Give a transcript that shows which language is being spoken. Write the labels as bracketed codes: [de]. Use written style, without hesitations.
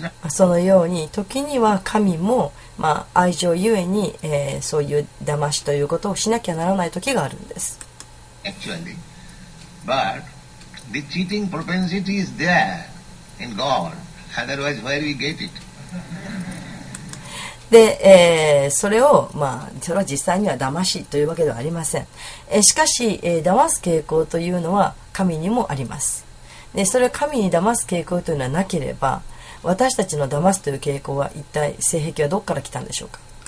[ja] そのように時には神も、まあ、愛情ゆえに、そういう騙しということをしなきゃならない時があるんです。 [en] Actually, but the cheating propensity is there in God. Otherwise, where we get it? [ja] で、それを、まあ、それは実際には騙しというわけではありません。しかし、騙す傾向というのは神にもあります。で、それは神に騙す傾向というのはなければ、私たちの騙すという傾向は一体性癖はどこから来たんでしょうか。